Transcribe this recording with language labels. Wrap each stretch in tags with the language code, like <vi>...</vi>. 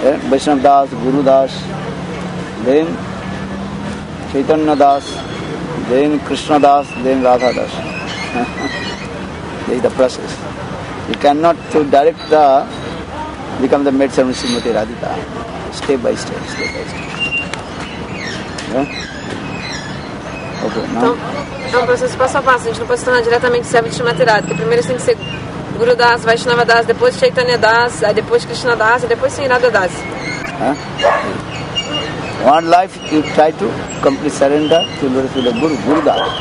<en>Vaishnava Das, Guru Das, then Chaitanya Das, then Krishna Das, then Radha Das. This is the process. You cannot to direct the become the maid servant Srimati Radhika. Step by step, step by step. Yeah? Okay.</en> <pt>Sato, não? Então, é um processo passo a passo, a gente não pode se tornar diretamente servo de Srimati Radha, porque primeiro você tem que ser Guru Das, Vaishnava Das, depois Chaitanya Das, aí depois Krishna Das, e depois sim Radha Das.</pt> <en>One life you try to completely surrender to the Guru, Guru Das.</en>